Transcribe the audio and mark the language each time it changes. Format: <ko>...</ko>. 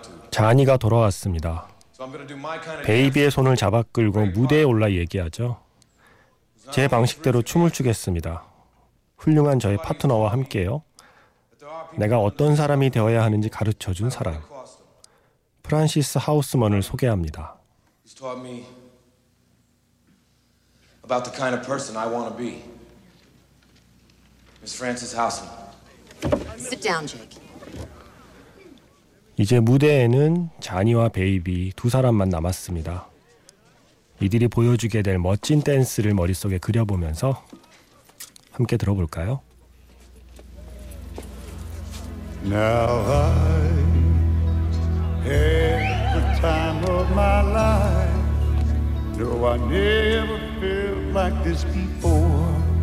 <ko>자니가 돌아왔습니다. 베이비의 손을 잡아 끌고 무대에 올라 얘기하죠. 제 방식대로 춤을 추겠습니다. 훌륭한 저의 파트너와 함께요. 내가 어떤 사람이 되어야 하는지 가르쳐준 사람. 프란시스 하우스먼을 소개합니다.</ko> <en>About the kind of person I want to be. Miss Frances Housman. Sit down, Jake.</en> <ko>이제 무대에는 자니와 베이비 두 사람만 남았습니다. 이들이 보여주게 될 멋진 댄스를 머릿속에 그려보면서 함께 들어볼까요?</ko> <en>Now I have the time of my life. No, I never felt like this before.</en>